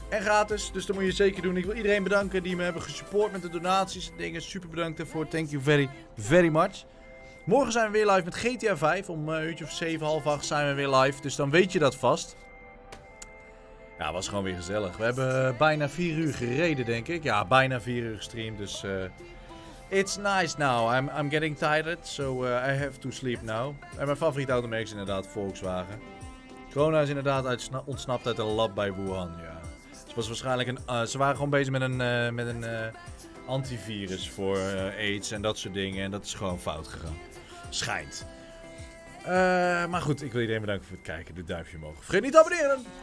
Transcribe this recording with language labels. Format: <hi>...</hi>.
<nl>En gratis, dus dat moet je zeker doen. Ik wil iedereen bedanken die me hebben gesupport met de donaties en dingen. Super bedankt daarvoor.</nl> <en>Thank you very, very much.</en> <nl>Morgen zijn we weer live met GTA 5. Om een uurtje of 7, 7:30 zijn we weer live. Dus dan weet je dat vast. Ja, was gewoon weer gezellig. We hebben bijna 4 uur gereden, denk ik. Ja, bijna 4 uur gestreamd, dus...</nl> <en>It's nice now. I'm getting tired, so I have to sleep now.</en> <nl>En mijn favoriete automerk is inderdaad Volkswagen. Corona is inderdaad ontsnapt uit een lab bij Wuhan, ja. Ze was waarschijnlijk ze waren gewoon bezig met een antivirus voor AIDS en dat soort dingen. En dat is gewoon fout gegaan. Schijnt. Maar goed, ik wil iedereen bedanken voor het kijken. De duimpje omhoog. Vergeet niet te abonneren.</nl>